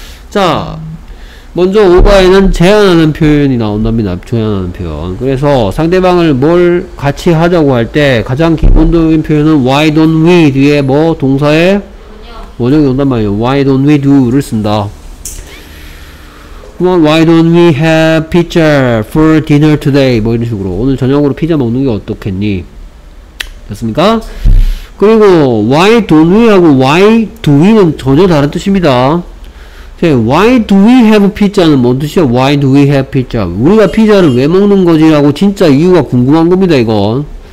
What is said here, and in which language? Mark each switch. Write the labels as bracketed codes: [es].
[ko] 자, 먼저 오바에는 제안하는 표현이 나온답니다. 제안하는 표현. 그래서 상대방을 뭘 같이 하자고 할 때 가장 기본적인 표현은 [en] why don't we [ko] 뒤에 뭐 동사의 원형이 온단 말이에요. [en] why don't we do를 [ko] 쓴다. [en] why don't we have pizza for dinner today? [ko] 뭐 이런 식으로. 오늘 저녁으로 피자 먹는 게 어떻겠니? 됐습니까? 그리고 [en] why don't we [ko] 하고 [en] why do we [ko] 는 전혀 다른 뜻입니다. [en] why do we have pizza는 [ko] 뭔 뜻이야? [en] why do we have pizza? [ko] 우리가 피자를 왜 먹는 거지? 라고 진짜 이유가 궁금한 겁니다, 이건.